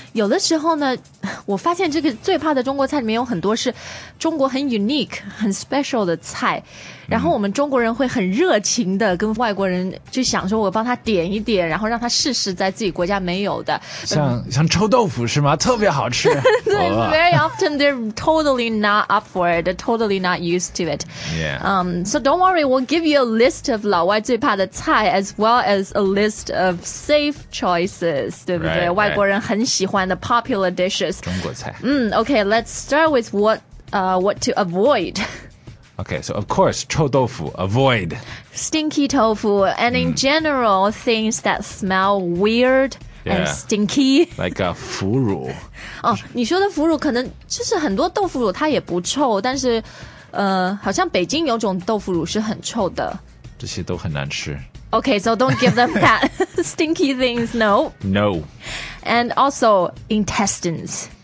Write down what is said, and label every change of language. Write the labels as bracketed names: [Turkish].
[Chinese] 有的时候呢，我发现这个最怕的中国菜里面有很多是中国很 [English] unique、 [Chinese] 很 [English] special [Chinese] 的菜，然后我们中国人会很热情的跟外国人就想说，我帮他点一点，然后让他试试在自己国家没有的。像臭豆腐是吗？特别好吃。对、oh. [English] ，very often they're totally not up for it, totally not used to it. Yeah. So don't worry, we'll give you a list of [Chinese] 老外最怕的菜 [English] as well as a list of safe choices. [Chinese] 对不对？ [English] Right, [Chinese] 外国人很喜欢的 [English] popular dishes. [Chinese] 中国菜。 [English] Okay, let's start with what to avoid. Okay, so of course, 臭豆腐, avoid. Stinky tofu, and in general, things that smell weird and stinky. Like a 腐乳. [Chinese] Oh, 你说的腐乳可能就是很多豆腐乳它也不臭,但是好像北京有种豆腐乳是很臭的。这些都很难吃。 [English] Okay, so don't give them that. Stinky things, no. No. And also intestines.